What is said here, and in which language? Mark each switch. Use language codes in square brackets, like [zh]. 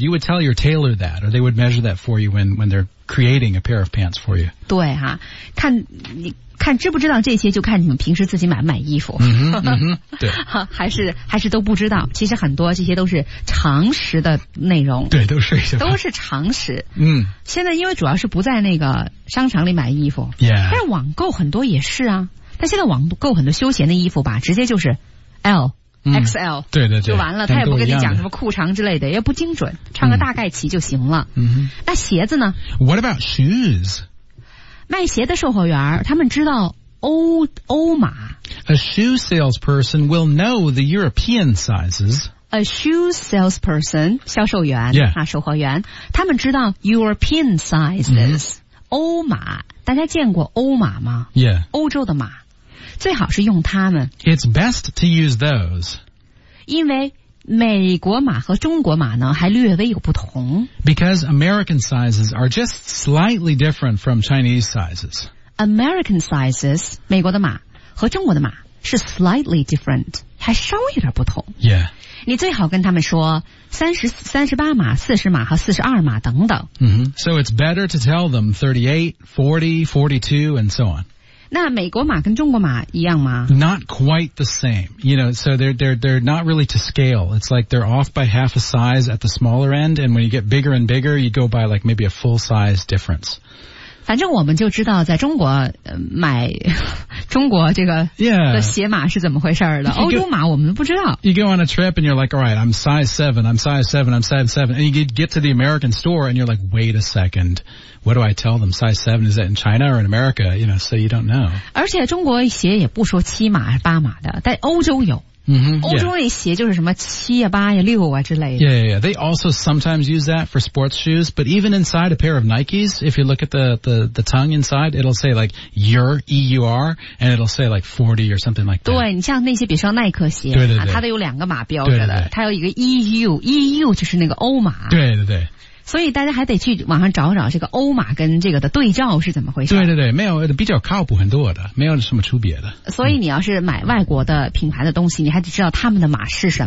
[en] You would tell your tailor that, or they would measure that for you when they're creating a pair of pants for you. [zh] 对哈、看知不知道这些就看你们平时自己买衣服。对。还是都不知道。其实很多这些都是常识的内容。对都是一些。都是常识。嗯。现在因为主要是不在那个商场里买衣服。 [en] Yeah. [zh] 但网购很多也是啊。但现在网购很多休闲的衣服吧直接就是 L。 [en] XL [zh] 对对对就完了他也不跟你讲什么裤长之类的也不精准穿个大概齐就行了、那鞋子呢 [en] What about shoes? [zh] 卖鞋的售货员他们知道欧码 [en] A shoe salesperson will know the European sizes A shoe salesperson [zh] 销售员、 [en] yeah. [zh] 啊、售货员他们知道 [en] European sizes、 [zh] 欧码大家见过欧码吗、 [en] yeah. [zh] 欧洲的码最好是用它们。 [en] It's best to use those. [zh] 因为美国码和中国码呢还略微有不同。 [en] Because American sizes are just slightly different from Chinese sizes. American sizes, [zh] 美国的码和中国的码是 [en] slightly different, [zh] 还稍微有点不同。 [en] Yeah. [zh] 你最好跟他们说38码、40码和42码等等。 [en] So it's better to tell them 38, 40, 42 and so on. [zh] 那美国码跟中国码一样吗 [en] ?Not quite the same. You know, so they're not really to scale. It's like they're off by half a size at the smaller end, and when you get bigger and bigger, you go by like maybe a full size difference. [zh] 反正我们就知道在中国买中国这个的鞋码是怎么回事的。欧洲码我们不知道。 [en] You go on a trip and you're like, all right, I'm size 7. And you get to the American store and you're like, wait a second. What do I tell them? Size 7, is that in China or in America? You know, so you don't know. [zh] 而且中国鞋也不说七码八码的，但欧洲有。 Mm-hmm, 欧洲那鞋就是什么七呀八呀六啊之类的。 [en] Yeah, yeah, yeah. They also sometimes use that for sports shoes, but even inside a pair of Nikes, if you look at the tongue inside, it'll say like your EUR, and it'll say like 40 or something like that. [zh] 对，你像那些比如说耐克鞋，对对对，它都有两个码标着的，对对对，它有一个 EU 就是那个欧码。对对对。所以大家还得去网上找找这个欧码跟这个的对照是怎么回事。对对对，没有，比较靠谱很多的，没有什么区别的。所以你要是买外国的品牌的东西，你还得知道他们的码是什么。